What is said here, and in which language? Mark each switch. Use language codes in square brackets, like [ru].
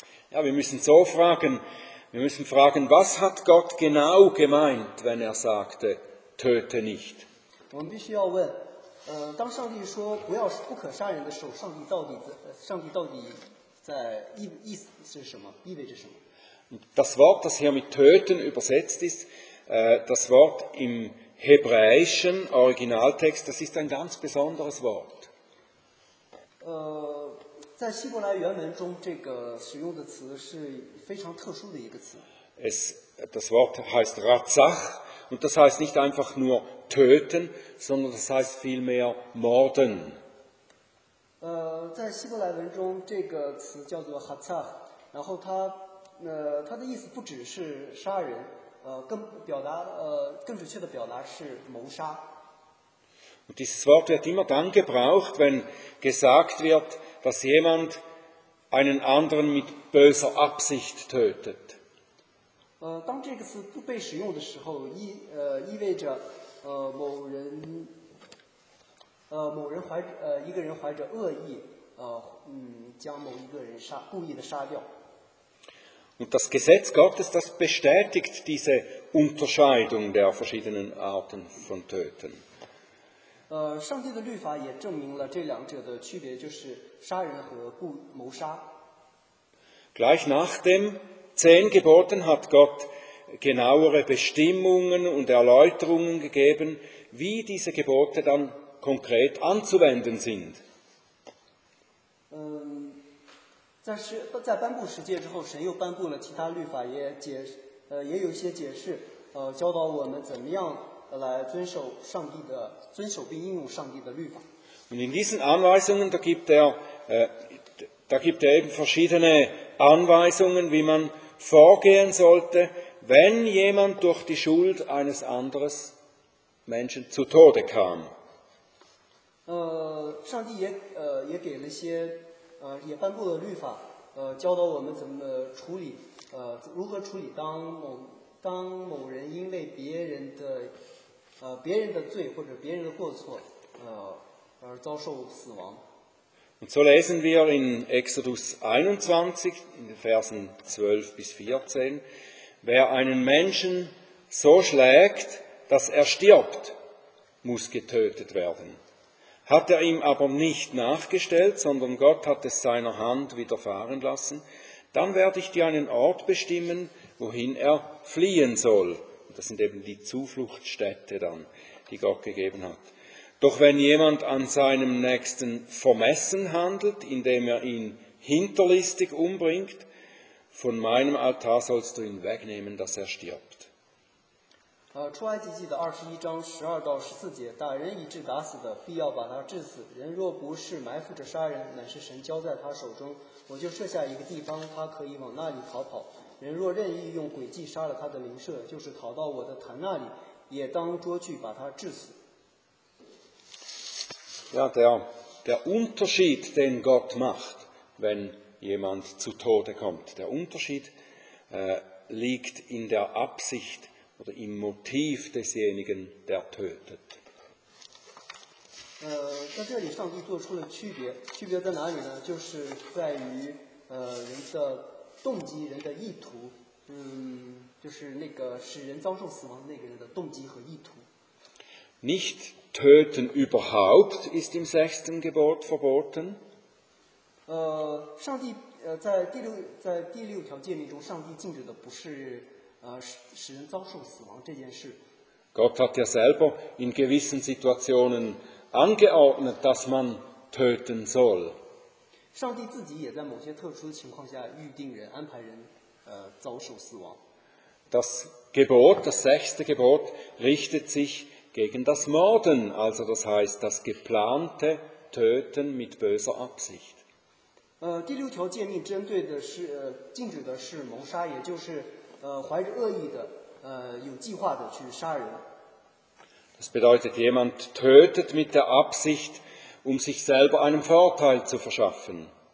[de] Ja, wir müssen so fragen, wir müssen fragen, was hat Gott genau gemeint, wenn er sagte, töte nicht? [zh] 我们必须要问，当上帝说不要不可杀人的时候，上帝到底在意思是什么，意味着什么？ [de] Das Wort, das hier mit töten übersetzt ist, das Wort im hebräischen Originaltext, das ist ein ganz besonderes Wort. [zh] 在希伯来原文中，这个使用的词是非常特殊的一个词。 [de] Das Wort heißt Razach, und das heißt nicht einfach nur töten, sondern das heißt vielmehr morden. [zh] 在希伯来文中，这个词叫做 Hatzach, 然后它的意思不只是杀人，更准确的表达是谋杀。 [de] Und dieses Wort wird immer dann gebraucht, wenn gesagt wird, dass jemand einen anderen mit böser Absicht tötet. [zh] 当这个词不被使用的时候，意味着一个人怀着恶意，将某一个人故意的杀掉。 [de] Und das Gesetz Gottes, das bestätigt diese Unterscheidung der verschiedenen Arten von Töten. [zh] 上帝的律法也证明了这两者的区别，就是杀人和谋杀。 [de] Gleich nach den 10 Geboten hat Gott genauere Bestimmungen und Erläuterungen gegeben, wie diese Gebote dann konkret anzuwenden sind. [zh] 在颁布十诫之后，神又颁布了其他律法，也有一些解释，教导我们怎么样来遵守并应用上帝的律法。 [de] Und in diesen Anweisungen, da gibt er eben verschiedene Anweisungen, wie man vorgehen sollte, wenn jemand durch die Schuld eines anderen Menschen zu Tode kam. [zh] 上帝也给了些也颁布了律法，教导我们怎么处理，如何处理当某人因为别人的罪或者别人的过错，而遭受死亡。 [de] Und so lesen wir in Exodus 21, in den Versen 12 bis 14, wer einen Menschen so schlägt, dass er stirbt, muss getötet werden. Hat er ihm aber nicht nachgestellt, sondern Gott hat es seiner Hand widerfahren lassen, dann werde ich dir einen Ort bestimmen, wohin er fliehen soll. Das sind eben die Zufluchtsstätte dann, die Gott gegeben hat. Doch wenn jemand an seinem Nächsten vermessen handelt, indem er ihn hinterlistig umbringt, von meinem Altar sollst du ihn wegnehmen, dass er stirbt. [zh] 出埃及记的二十一章十二到十四节，打人以致打死的，必要把他治死。人若不是埋伏着杀人，乃是神交在他手中，我就设下一个地方，他可以往那里逃跑。人若任意用诡计杀了他的邻舍，就是逃到我的坛那里，也当捉去把他治死。 [de] Ja, der Unterschied, den Gott macht, wenn jemand zu Tode kommt, der Unterschied liegt in der Absicht oder im Motiv desjenigen, der tötet. [zh] 在这里上帝做出了区别，区别在哪里呢？就是在于人的动机，人的意图，就是那个使人遭受死亡的那个人的动机和意图。 [de] Nicht töten überhaupt ist im sechsten Gebot verboten. [zh] 上帝在第六条诫命中，上帝禁止的不是使人遭受死亡这件事。 [de] Gott hat ja selber in gewissen Situationen angeordnet, dass man töten soll. [zh] 上帝自己也在某些特殊的情况下预定人安排人遭受死亡。 [de] Das Gebot, das sechste Gebot, richtet sich gegen das Morden, also das heißt das geplante Töten mit böser Absicht. [zh] 第六条诫命针对的是禁止的是谋杀，也就是怀着恶意的有计划的去杀人。 [de] Das bedeutet, jemand tötet mit der Absicht, um sich selber einen Vorteil zu verschaffen.